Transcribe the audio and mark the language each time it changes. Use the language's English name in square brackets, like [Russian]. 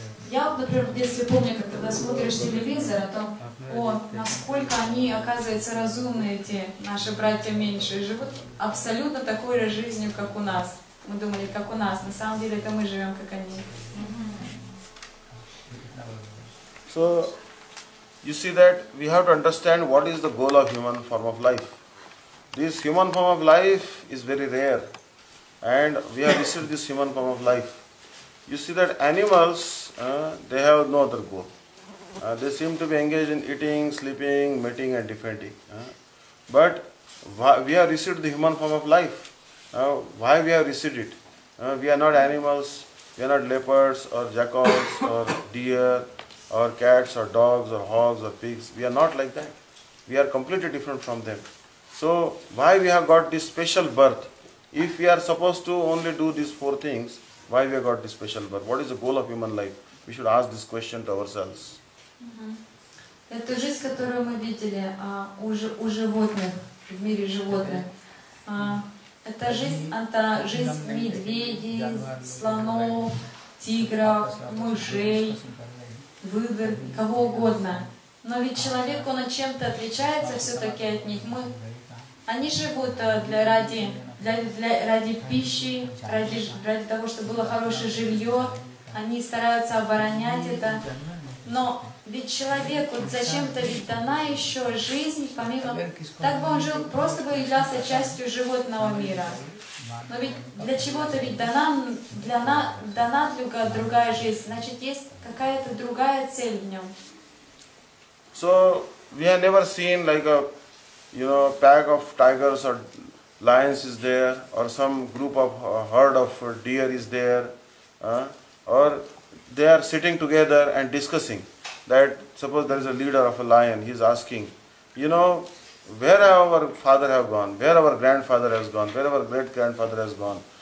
[Russian] Я, например, в детстве помню, как когда смотришь телевизор, о том, о, насколько они, оказывается, разумные, эти наши братья меньшие, живут абсолютно такой же жизнью, как у нас. Мы думали, как у нас. На самом деле, это мы живем, как они. [English] So, you see that we have to understand what is the goal of human form of life. This human form of life is very rare. And we have received this human form of life. You see that animals, they have no other goal. They seem to be engaged in eating, sleeping, mating and defending. But we have received the human form of life. Why we have received it? We are not animals, we are not leopards or jackals or deer or cats or dogs or hogs or pigs. We are not like that. We are completely different from them. So why we have got this special birth? If we are supposed to only do these four things, why we have got this special birth? What is the goal of human life? We should ask this question to ourselves. [Russian] Эту жизнь, которую мы видели у животных, в мире животных, это жизнь медведей, слонов, тигров, мышей, выдр, кого угодно. Но ведь человек, он чем-то отличается все-таки от них. Они живут ради пищи, ради того, чтобы было хорошее жилье. Они стараются оборонять это. Но ведь человеку зачем-то ведь дана еще жизнь, помимо... Так бы он жил, просто бы являлся частью животного мира. Но ведь для чего-то ведь дана другая жизнь. Значит, есть какая-то другая цель в нем. [English] So, we have never seen like a... You know, pack of tigers or lions is there, or some group of herd of deer is there, or they are sitting together and discussing. That suppose there is a leader of a lion, he is asking, you know, where our father have gone, where our grandfather has gone, where our great grandfather has gone.